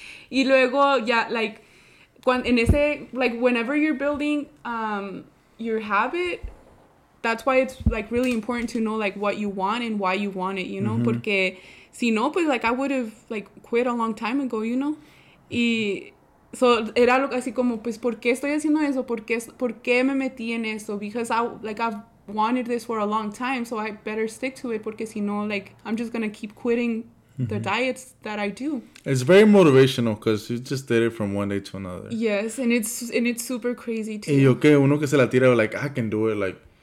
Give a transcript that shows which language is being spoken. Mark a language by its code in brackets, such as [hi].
[es] Y luego, ya, [en] like, whenever you're building your habit, that's why it's, like, really important to know, like, what you want and why you want it, you know, mm-hmm. [es] porque... Si no, pues, [en] like, I would have, like, quit a long time ago, you know? [es] Y so, era lo, así como, pues, ¿por qué estoy haciendo eso? ¿Por qué me metí en eso? [en] Because, I've wanted this for a long time, so I better stick to it. [es] Porque si no, [en] like, I'm just going to keep quitting the diets that I do. It's very motivational because you just did it from one day to another. Yes, and it's super crazy, too. Y okay, [es] uno que se la tira, [en] like, I can do it, like...